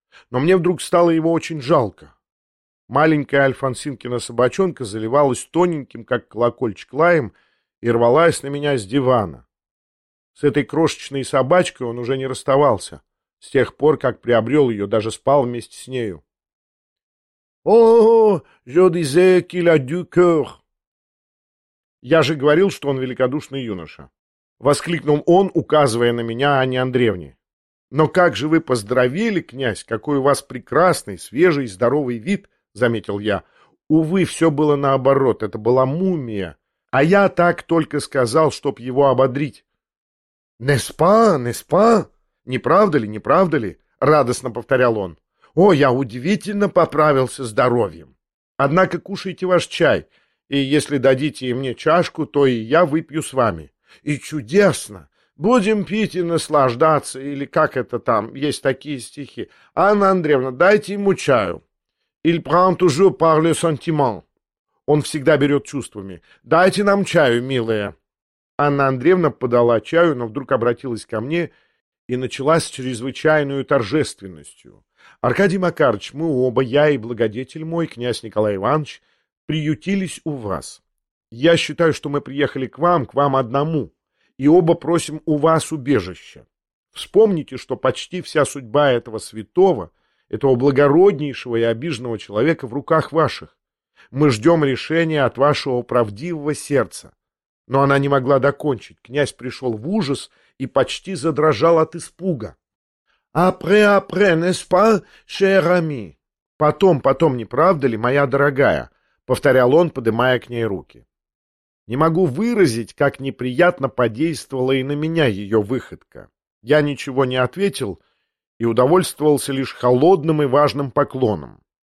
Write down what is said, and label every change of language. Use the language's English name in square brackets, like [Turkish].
[Russian] Но мне вдруг стало его очень жалко. Маленькая Альфонсинкина собачонка заливалась тоненьким, как колокольчик, лаем и рвалась на меня с дивана. С этой крошечной собачкой он уже не расставался, с тех пор, как приобрел ее, даже спал вместе с нею. [French] «О, je disais qu'il a du cœur!» [Russian] «Я же говорил, что он великодушный юноша!» — воскликнул он, указывая на меня, Анне Андреевне. «Но как же вы поздравили, князь, какой у вас прекрасный, свежий, здоровый вид!» — заметил я. — Увы, все было наоборот, это была мумия, а я так только сказал, чтоб его ободрить. — Не спа, не спа! — Не правда ли, не правда ли? — радостно повторял он. — О, я удивительно поправился здоровьем. Однако кушайте ваш чай, и если дадите мне чашку, то и я выпью с вами. — И чудесно! Будем пить и наслаждаться, или как это там, есть такие стихи. Анна Андреевна, дайте ему чаю. [French] Il prend toujours par le sentiment. [Russian] Он всегда берет чувствами. Дайте нам чаю, милая. Анна Андреевна подала чаю, но вдруг обратилась ко мне и началась с чрезвычайной торжественностью. Аркадий Макарыч, мы оба, я и благодетель мой, князь Николай Иванович, приютились у вас. Я считаю, что мы приехали к вам одному, и оба просим у вас убежища. Вспомните, что почти вся судьба этого святого, этого благороднейшего и обиженного человека в руках ваших. Мы ждем решения от вашего правдивого сердца. Но она не могла докончить. Князь пришел в ужас и почти задрожал от испуга. [French] «Après, après, n'est-ce pas, cher ami?» [Russian] «Потом, потом, не правда ли, моя дорогая?» — повторял он, поднимая к ней руки. Не могу выразить, как неприятно подействовала и на меня ее выходка. Я ничего не ответил и удовольствовался лишь холодным и важным поклоном.